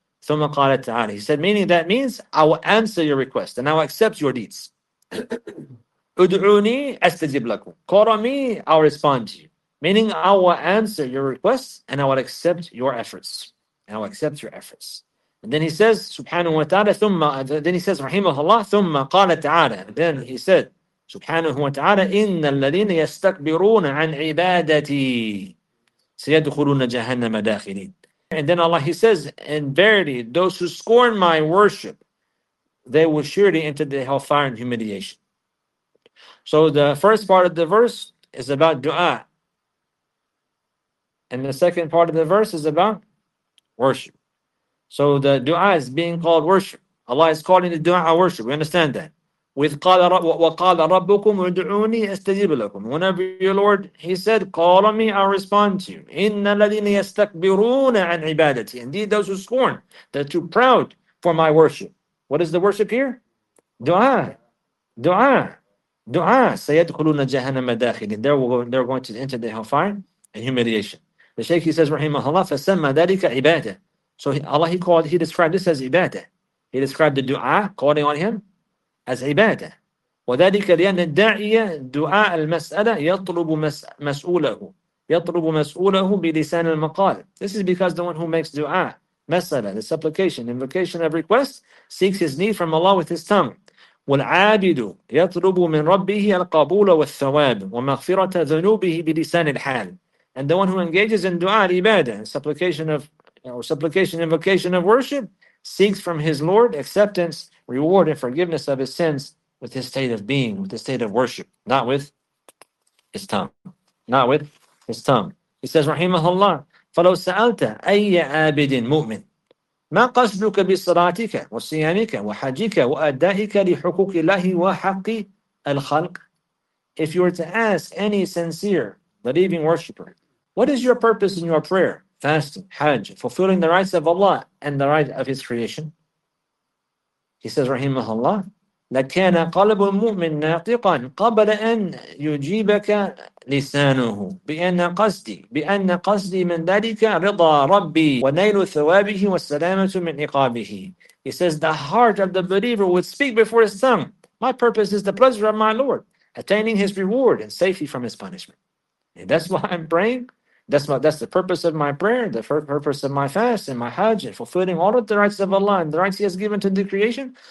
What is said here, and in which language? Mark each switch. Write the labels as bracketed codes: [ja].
[ar] ثم قال تعالى, [en] he said, meaning that means I will answer your request and I will accept your deeds. [ar] ادعوني استجب لكم. [en] Call on me, I'll respond to you. Meaning I will answer your requests and I will accept your efforts. And I will accept your efforts. And then he says, [ar] سبحانه وتعالى ثم, [en] then he says, [ar] رحمه الله ثم قال تعالى. [en] Then he said, [ar] سبحانه وتعالى إن الذين يستكبرون عن عبادتي سيدخلون جهنم داخلين. [en] And then Allah, he says, in verity, those who scorn my worship, they will surely enter the hellfire and humiliation. So the first part of the verse is about dua. And the second part of the verse is about worship. So the dua is being called worship. Allah is calling the dua worship. We understand that. [ar] With وَقَالَ رَبُّكُمْ وَدُعُونِي أَسْتَجِبْ لَكُمْ. [en] Whenever your Lord, he said, call on me, I'll respond to you. [ar] إِنَّ الَّذِينَ يَسْتَكْبِرُونَ عَنْ عِبَادَتِي. [en] Indeed, those who scorn, they're too proud for my worship. What is the worship here? [ar] Dua. Dua. Dua. سَيَدْخُلُونَ جَهَنَّمَ دَاخِلِينَ. [en] They're going to enter the hellfire and humiliation. The Shaykh, he says, [ar] رحمه الله, فَسَمَّ ذَلِكَ عِبَادَةً. [en] So Allah, he described this as ibadah. He described the dua, calling on him, as ibadah. [ar] وَذَلِكَ لِأَنَّ الدَّاعِيَ دُعَاءَ الْمَسْأَلَةِ يَطْلُبُ مَسْؤُولَهُ يَطْلُبُ مَسْؤُولَهُ بِلِسَانِ الْمَقَالِ. [en] This is because the one who makes dua, mas'ala, the supplication, invocation of request, seeks his need from Allah with his tongue. [ar] وَالْعَابِدُ يَطْلُبُ مِنْ رَبِّهِ الْقَبُولَ وَالثَّوَابِ وَمَغْفِرَةَ ذُنُوبِهِ بِلِسَانِ الْحَالِ. [en] And the one who engages in dua, ibadah, supplication of, or supplication, invocation of worship, seeks from his Lord acceptance, reward, and forgiveness of his sins with his state of being, with his state of worship, not with his tongue. Not with his tongue. He says, [ar] Rahimahullah, فَلَوْ سَأَلْتَ أَيَّ عَابِدٍ مُؤْمِنٍ مَا قَصْدُكَ بِصَلَاتِكَ وَصِيَامِكَ وَحَجِّكَ وَأَدَّائِكَ لِحُقُوقِ اللَّهِ وَحَقِّ الْخَلْقِ. [en] If you were to ask any sincere believing worshiper, what is your purpose in your prayer, fasting, hajj, fulfilling the rights of Allah and the right of his creation? He says, [ar] Rahimahullah, لَكَانَ قَلَبُ الْمُؤْمِنِ نَاطِقًا قَبْلَ أَن يُجِيبَكَ لِسَانُهُ بِأَنَّ قَصْدِي مِنْ ذَلِكَ رِضَى رَبِّي وَنَيْلُ ثَوَابِهِ وَالسَّلَامَةُ مِنْ إِقَابِهِ. [en] He says, the heart of the believer would speak before his tongue, my purpose is the pleasure of my Lord, attaining his reward and safety from his punishment. And that's why I'm praying. That's the purpose of my prayer, the purpose of my fast and my hajj, and fulfilling all of the rights of Allah and the rights He has given to the creation.